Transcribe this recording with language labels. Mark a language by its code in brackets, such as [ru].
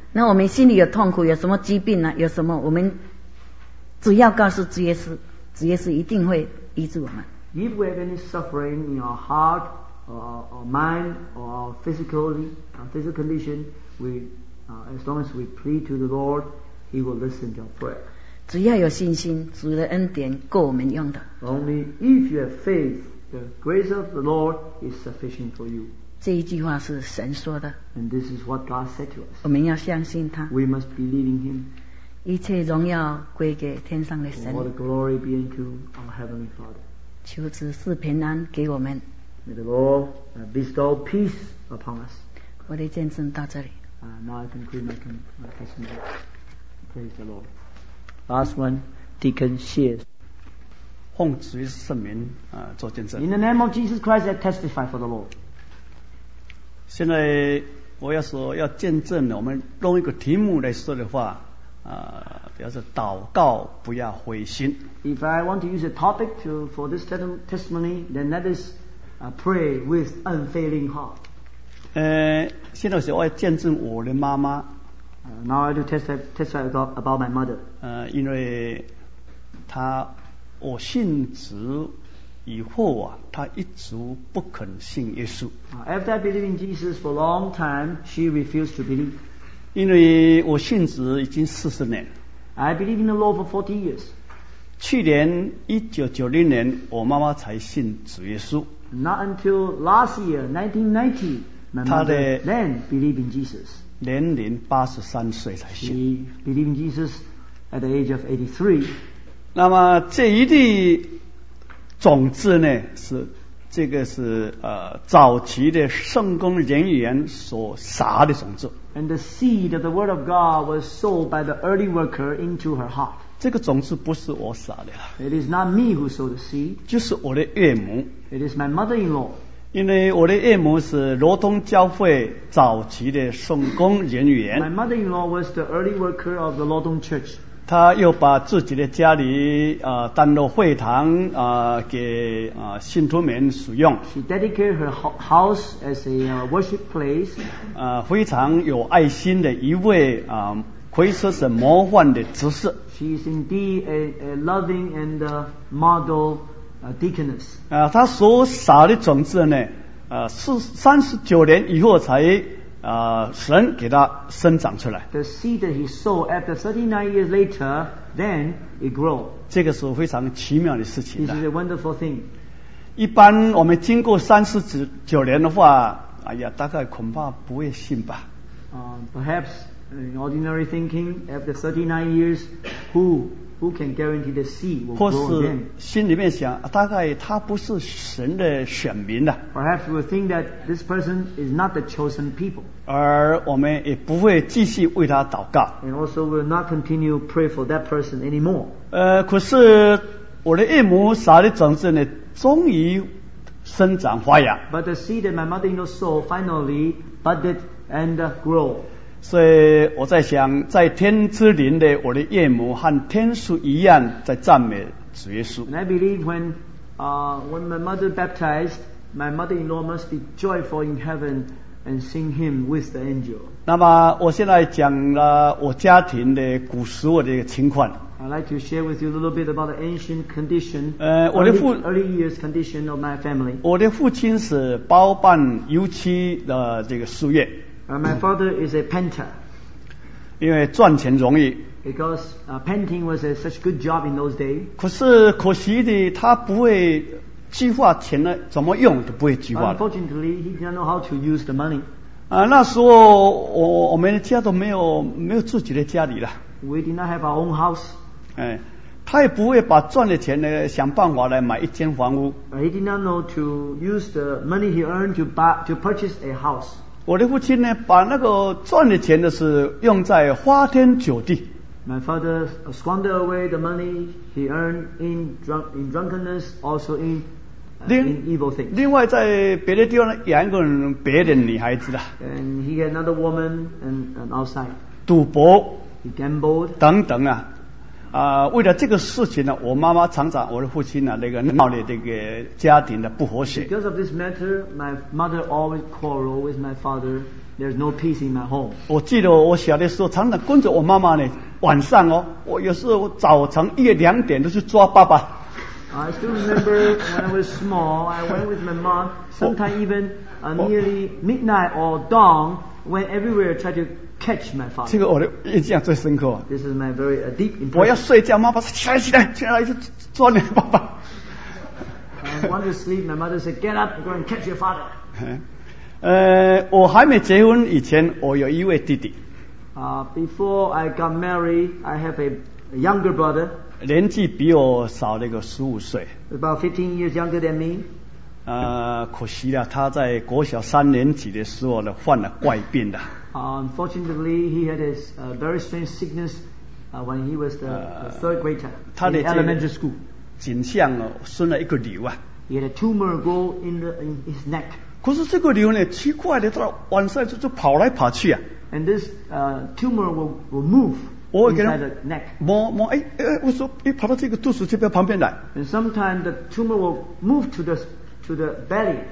[zh] 那我们心里有痛苦，有什么疾病呢、啊？有什么？我们只要告诉主耶稣，主耶稣一定会医治我们。 [en] If we have any suffering in our heart or mind or our physical condition, as long as we plead to the Lord, He will listen to our prayer. [zh] 只要有信心，主的恩典够我们用的。 [en] Only if you have faith. The grace of the Lord is sufficient for you. [zh] 这一句话是神说的。 [en] And this is what God said to us. [zh] 我们要相信他。 [en] We must believe in him. [zh] 一切荣耀归给天上的神。 [en] All the glory be unto our Heavenly Father. [zh] 求主赐平安给我们。 [en] May the Lord bestow peace upon us. [zh] 我的见证到这里。 [en] Now I conclude my testimony. Praise the Lord. Last one, Deacon Shears. [zh] 奉主耶稣圣名做见证。 [en] In the name of Jesus Christ, I testify for the Lord. [zh] 现在我要说要见证的，我们用一个题目来说的话，比方说祷告不要灰心。 [en] If I want to use a topic for this testimony, then that is pray with unfailing heart. [zh] 现在是我要见证我的妈妈。 [en] Now I do testify about my mother. [zh] 因为她。我信主以后啊，他一直不肯信耶稣。 [en] After I believed in Jesus for a long time, she refused to believe. [zh] 因为我信主已经四十年。 [en] I believe in the Lord for 40 years. [zh] 去年1990年，我妈妈才信主耶稣。 [en] Not until last year, 1990, my mother then believed in Jesus. [zh] 年龄83岁才信。 [en] She believed in Jesus at the age of 83. [zh] 那么这一粒种子呢，是这个是早期的圣工人员所撒的种子。 [en] And the seed of the word of God was sowed by the early worker into her heart. [zh] 这个种子不是我撒的。 [en] It is not me who sowed the seed. [zh] 就是我的岳母。 [en] It is my mother-in-law. [zh] 因为我的岳母是罗东教会早期的圣工人员。 [en] My mother-in-law was the early worker of the 罗东 church. [zh] 他又把自己的家里当作会堂给信徒们使用。 [en] She dedicated her house as a worship place. [zh] 非常有爱心的一位可以说是模范的执事。 [en] She is indeed a loving and model deaconess. [zh] 他所撒的种子呢，是39年以后才。神给他生长出来。 [en] The seed that he sowed after 39 years later, then it grew. [zh] 这个是非常奇妙的事情。 [en] This is a wonderful thing. [zh] 一般我们经过39年的话，哎呀，大概恐怕不会信吧。 [en] Perhaps in ordinary thinking, after 39 years, who can guarantee the seed will grow again? [zh] 或是心里面想，大概他不是神的选民的。 [en] Perhaps we think that this person is not the chosen people. [zh] 而我们也不会继续为他祷告。 [en] And also will not continue pray for that person anymore. [zh] 可是我的岳母撒的种子呢，终于生长发芽。 [en] But the seed that my mother-in-law sowed finally budded and grew. [zh] 所以我在想，在天之灵的我的岳母和天使一样，在赞美主耶稣。 [en] And I believe when my mother baptized, my mother-in-law must be joyful in heaven and sing him with the angel. [zh] 那么我现在讲了我家庭的古时候的情况。 [en] I'd like to share with you a little bit about the ancient condition. [zh] 我的父 [en] early years condition of my family. [zh] 我的父亲是包办油漆的这个事业。 [en] My father is a painter. [zh] 因为赚钱容易。 [en] Because painting was such a good job in those days. [zh] 可是可惜的，他不会计划钱呢，怎么用都不会计划。 [en] Unfortunately, he didn't know how to use the money. [zh] 那时候我们家都没有自己的家里了。 [en] We did not have our own house. 哎， [zh] 他也不会把赚的钱呢想办法来买一间房屋。 [en] He did not know to use the money he earned to buy to purchase a house. [zh] 我的父亲呢，把那个赚的钱呢是用在花天酒地。 [en] My father squandered away the money he earned in drunkenness, also in in evil things. [zh] 另外在别的地方养一个别的女孩子了。 [en] And he had another woman and outside. [zh] 赌博。 [en] He gambled. [zh] 等等啊。为了这个事情呢，我妈妈常常我的父亲呢、啊，那个闹的这个家庭的不和谐。 [en] Because of this matter, my mother always quarrel with my father. There's no peace in my home. [zh] 我记得我小的时候，常常跟着我妈妈呢，晚上哦，我有时候早晨一两点都去抓爸爸。 [en] I still remember when I was small, I went with my mom. Sometimes even nearly midnight or dawn, went everywhere try to. Catch my father. [zh] 这个我的印象最深刻。 [en] This is my very deep impression. [zh] 我要睡觉，妈妈说起来起来起来，就抓你爸爸。 [en] I want to sleep. My mother said, "Get up, go and catch your father." [zh] 我还没结婚以前，我有一位弟弟。 [en] Before I got married, I have a younger brother. [zh] 年纪比我少那个十五岁。 [en] About 15 years younger than me. [zh] 可惜了，他在国小三年级的时候呢，患了怪病的。 [en] Unfortunately, he had a very strange sickness when he was the third grader in elementary school. [zh] 颈项生了一个瘤啊。 [en] He had a tumor grow in his neck. [zh] 可是这个瘤呢，奇怪的，他晚上就跑来跑去啊。 [en] And this tumor will move inside the neck. [zh] 摸摸，我说，跑到这个肚子这边旁边来。 [en] And sometimes the tumor will move to the belly,